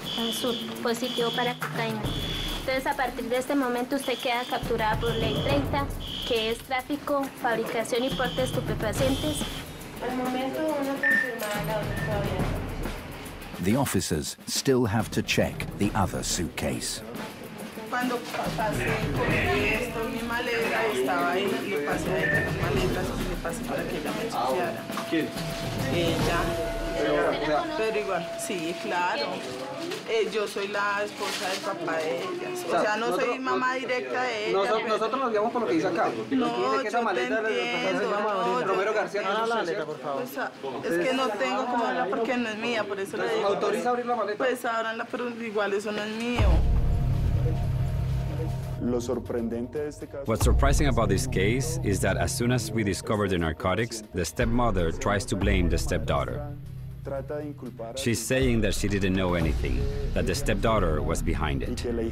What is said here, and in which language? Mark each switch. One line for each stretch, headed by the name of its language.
Spanish: Azul, positivo para cocaína. Entonces, a partir de este momento, usted queda capturada por ley 30, que es tráfico, fabricación y porte de estupefacientes. Al momento, uno confirmada la otra todavía.
English: The officers still have to check the other suitcase.
Spanish: Cuando pasé con esto, mi maleta estaba ahí, le pasé ahí las maletas y le pasé para que ella me chequeara. ¿Quién? Ella. Pero igual, sí, claro. Yo soy la esposa del papá de ella. O sea, no soy mamá directa de ella. Nosotros nos guiamos por lo que dice acá. No, yo te entiendo. Romero García, no la maleta, por favor. Es que no tengo como hablar porque no es mía, por eso le digo. ¿Autoriza abrir la maleta? Pues ábranla, pero igual eso no es mío.
English: What's surprising about this case is that as soon as we discover the narcotics, the stepmother tries to blame the stepdaughter. She's saying that she didn't know anything, that the stepdaughter was behind it.